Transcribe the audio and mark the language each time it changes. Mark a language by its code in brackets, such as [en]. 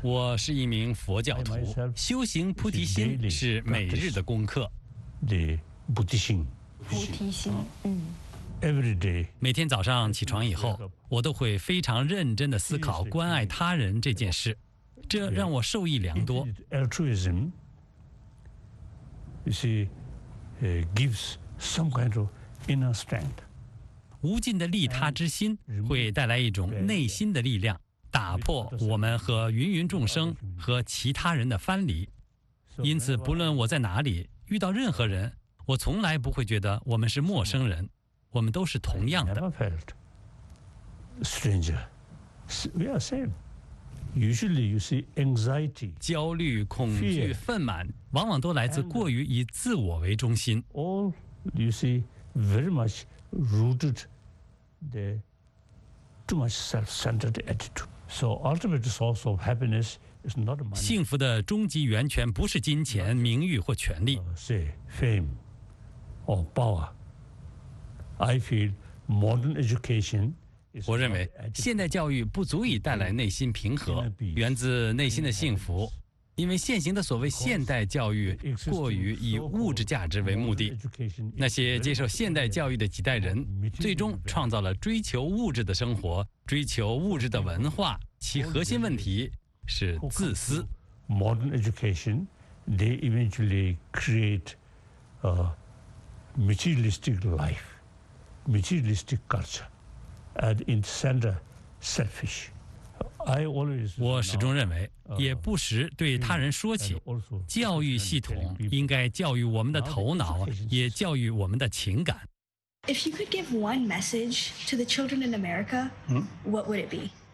[zh] 我是一名佛教徒，修行菩提心是每日的功课。菩提心、 [en] Every day, [zh] 每天早上起床以后，我都会非常认真地思考关爱他人这件事，这让我受益良多。 [en] Altruism, you see, gives some kind of inner strength. [zh] 无尽的利他之心会带来一种内心的力量，打破我们和芸芸众生和其他人的藩篱。因此，不论我在哪里遇到任何人，我从来不会觉得我们是陌生人。我们都是同样的。 [en] Never felt stranger. We are same. Usually, you see anxiety, [zh] 焦虑、恐惧、愤满，往往都来自过于以自我为中心。 [en] All you see very much rooted the too much self-centered attitude. So ultimate source of happiness is not money. [zh] 幸福的终极源泉不是金钱、名誉或权力。 [en] Say fame or power. I feel modern education is. [zh] 我认为现代教育不足以带来内心平和，源自内心的幸福，因为现行的所谓现代教育过于以物质价值为目的。那些接受现代教育的几代人，最终创造了追求物质的生活、追求物质的文化，其核心问题是自私。 [en] Modern education, they eventually create a materialistic life. Materialistic culture, and in the center, selfish. I always. [zh] 我始终认为，也不时对他人说起，教育系统应该教育我们的头脑，也教育我们的情感。 [en] If you could give one message to the children in America, what would it be?